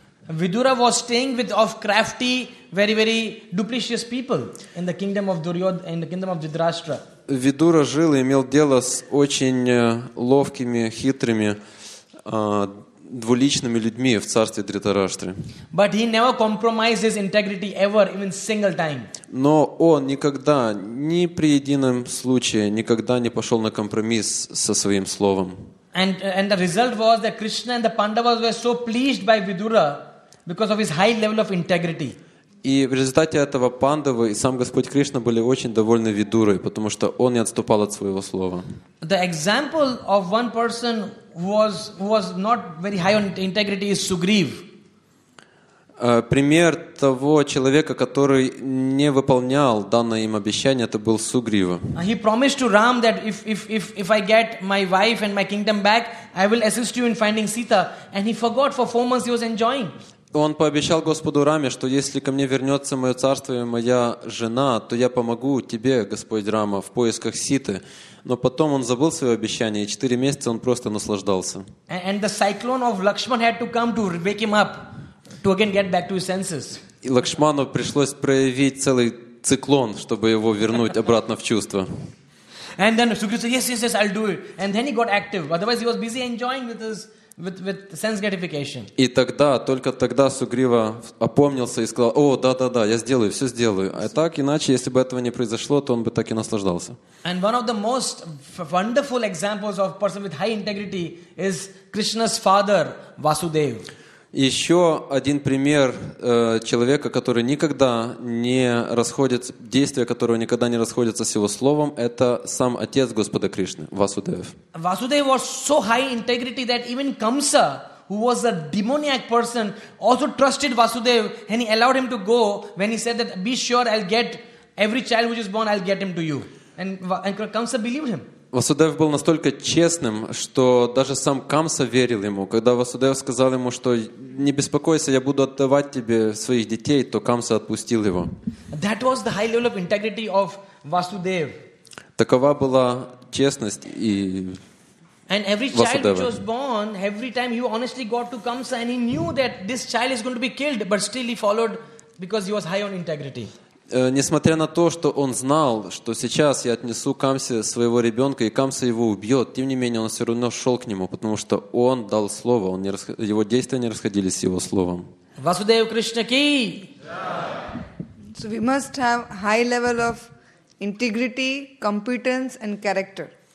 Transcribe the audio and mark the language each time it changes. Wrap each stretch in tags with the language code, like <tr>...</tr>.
<en>Vidura was staying with of crafty, very very duplicitous people in the kingdom of Duryodhana, in the kingdom of Dhritarashtra.</en> <ru>Видура жил и имел дело с очень ловкими, хитрыми, двуличными людьми в царстве Дхритараштры.</ru> <en>But he never compromised his integrity ever, even single time.</en> <ru>Но он никогда, ни при едином случае, никогда не пошел на компромисс со своим словом.</ru> <en>And the result was that Krishna and the Pandavas were so pleased by Vidura because of his high level of integrity.</en> <ru>И в результате этого Пандавы и сам Господь Кришна были очень довольны Видурой, потому что он не отступал от своего слова.</ru> <en>The example of one person who was not very high on integrity is Sugriv.</en> <ru>Пример того человека, который не выполнял данное им обещание, это был Сугрива.</ru> <en>He promised to Ram that if I get my wife and my kingdom back, I will assist you in finding Sita, and he forgot for 4 months he was enjoying.</en> <ru>Он пообещал Господу Раме, что если ко мне вернется мое царство и моя жена, то я помогу тебе, Господь Рама, в поисках Ситы. Но потом он забыл свое обещание, и 4 месяца он просто наслаждался.</ru> <en>And the cyclone of Lakshman had to come to wake him up, to again get back to his senses.</en> <ru>И Лакшману пришлось проявить целый циклон, чтобы его вернуть обратно в чувство.</ru> <en>And then Sugriva said, yes, yes, yes, I'll do it. And then he got active. Otherwise he was busy enjoying with his... With sense gratification.</en> <ru>И тогда, только тогда Сугрива опомнился и сказал: «О, да, да, да, я сделаю, все сделаю». А так иначе, если бы этого не произошло, то он бы так и наслаждался.</ru> <en>And one of the most wonderful examples of person with high integrity is Krishna's father Vasudev.</en> <ru>Еще один пример человека, который никогда не расходится, действия которого никогда не расходятся с его словом, это сам отец Господа Кришны, Васудев.</ru> <en>Vasudev was so high integrity that even Kamsa, who was a demoniac person, also trusted Vasudev and he allowed him to go when he said that be sure I'll get every child which is born, I'll get him to you. And Kamsa believed him.</en> <ru>Васудев был настолько честным, что даже сам Камса верил ему. Когда Васудев сказал ему, что не беспокойся, я буду отдавать тебе своих детей, то Камса отпустил его.</ru> <en>That was the high level of integrity of Vasudev.</en> <ru>Такова была честность и</ru> <en>And every child which was born, every time he honestly got to Kamsa and he knew that this child is going to be killed, but still he followed because he was high on integrity.</en> <ru>Несмотря на то, что он знал, что сейчас я отнесу Камсе своего ребенка, и Камса его убьет, тем не менее он все равно шел к нему, потому что он дал слово, его действия не расходились с его словом.</ru> <hi>Васудев Кришна ки!</hi> <en>So we must have high level of integrity, competence and character.</en>